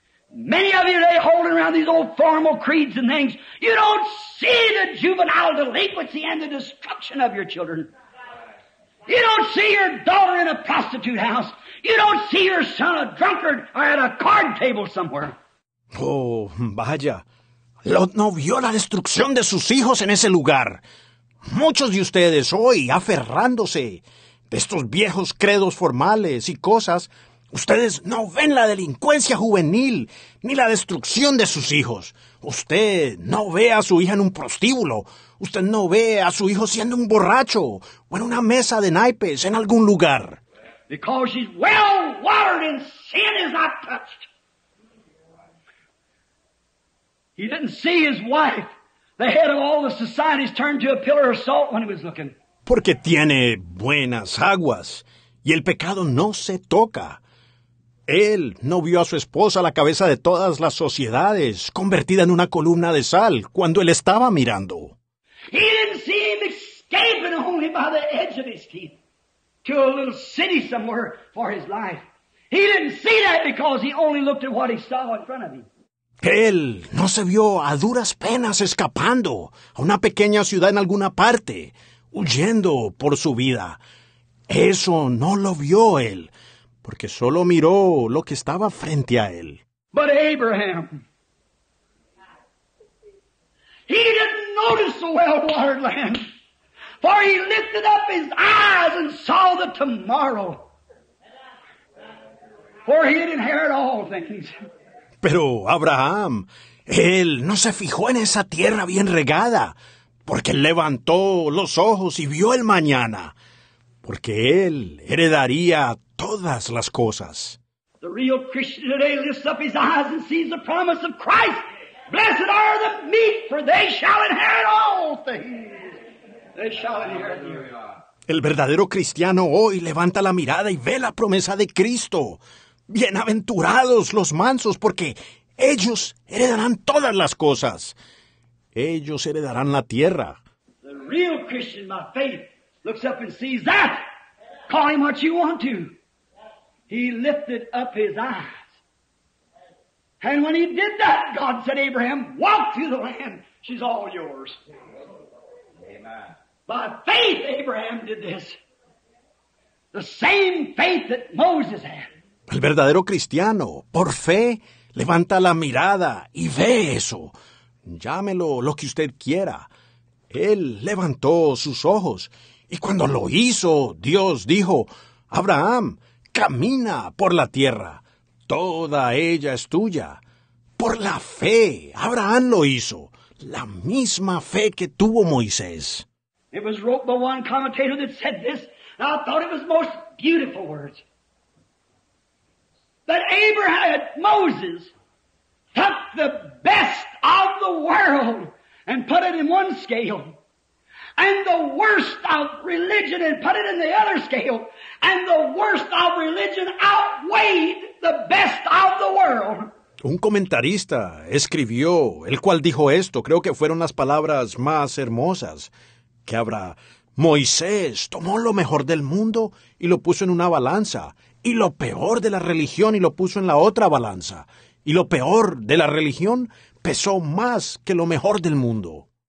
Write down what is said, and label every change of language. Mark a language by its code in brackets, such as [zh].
[en] Many of you today holding around these old formal creeds and things, you don't see the juvenile delinquency and the destruction of your children. You don't see your daughter in a prostitute house. You don't see your son a drunkard or at a card table somewhere. [es] Oh, vaya. Lot no vio la destrucción de sus hijos en ese lugar. Muchos de ustedes hoy, aferrándose de estos viejos credos formales y cosas, ustedes no ven la delincuencia juvenil ni la destrucción de sus hijos. Usted no ve a su hija en un prostíbulo. Usted no ve a su hijo siendo un borracho o en una mesa de naipes en algún lugar. [en] Because she's well watered and sin is not touched. He didn't see his wife, the head of all the societies, turned to a pillar of salt when he was looking. [es] Porque tiene buenas aguas, y el pecado no se toca. Él no vio a su esposa la cabeza de todas las sociedades, convertida en una columna de sal, cuando él estaba mirando. [en] He didn't see him escaping only by the edge of his teeth, to a little city somewhere for his life. He didn't see that because he only looked at what he saw in front of him. [es] Él no se vio a duras penas escapando a una pequeña ciudad en alguna parte, huyendo por su vida. Eso no lo vio él, porque solo miró lo que estaba frente a él. [en] But Abraham, he didn't notice the well-watered land, for he lifted up his eyes and saw the tomorrow, for he had inherited all things. [es] Pero Abraham, él no se fijó en esa tierra bien regada, porque levantó los ojos y vio el mañana, porque él heredaría todas las cosas. [en] The real Christian today lifts up his eyes and sees the promise of Christ. Blessed are the meek, for they shall inherit all things. They shall inherit the earth. [es] El verdadero cristiano hoy levanta la mirada y ve la promesa de Cristo. Bienaventurados los mansos, porque ellos heredarán todas las cosas. Ellos heredarán la tierra. [en] The real Christian, by faith, looks up and sees that. Call him what you want to. He lifted up his eyes. And when he did that, God said, Abraham, walk through the land. She's all yours. Amen. By faith, Abraham did this. The same faith that Moses had. [es] El verdadero cristiano, por fe, levanta la mirada y ve eso. Llámelo lo que usted quiera. Él levantó sus ojos. Y cuando lo hizo, Dios dijo, Abraham, camina por la tierra. Toda ella es tuya. Por la fe, Abraham lo hizo. La misma fe que tuvo Moisés. [en] It was wrote by one commentator that said this, and I thought it was most beautiful words. That Abraham, Moses, took the best of the world and put it in one scale, and the worst of religion and put it in the other scale, and the worst of religion outweighed the best of the world. [es] Un comentarista escribió, el cual dijo esto, creo que fueron las palabras más hermosas, que habrá, Moisés tomó lo mejor del mundo y lo puso en una balanza, y lo peor de la religión y lo puso en la otra balanza, y lo peor de la religión pesó más que lo mejor del mundo.